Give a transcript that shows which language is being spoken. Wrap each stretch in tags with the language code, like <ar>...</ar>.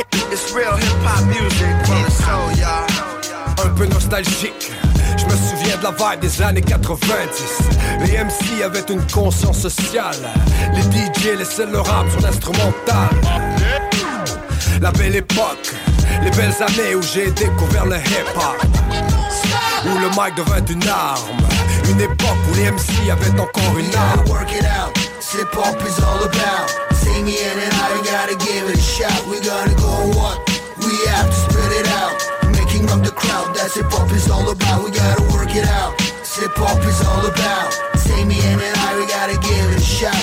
<en>It's real hip-hop music, bro, so y'all.</en> <fr>Un peu nostalgique. Je me souviens de la vibe des années 90. Les MC avaient une conscience sociale. Les DJ laissaient le rap sur l'instrumental. La belle époque. Les belles années où j'ai découvert le hip-hop. Où le mic devint une arme. Une époque où les MC avaient encore une arme.</fr> <en>Work it out, hip hop is all about. See me in and out, you gotta give it a shot. We gonna go on one, we have to spread it out. Making up the crowd, that's hip hop is all about. We gotta work it out, hip hop is all about. See me in and out, you gotta give it a shot.</en>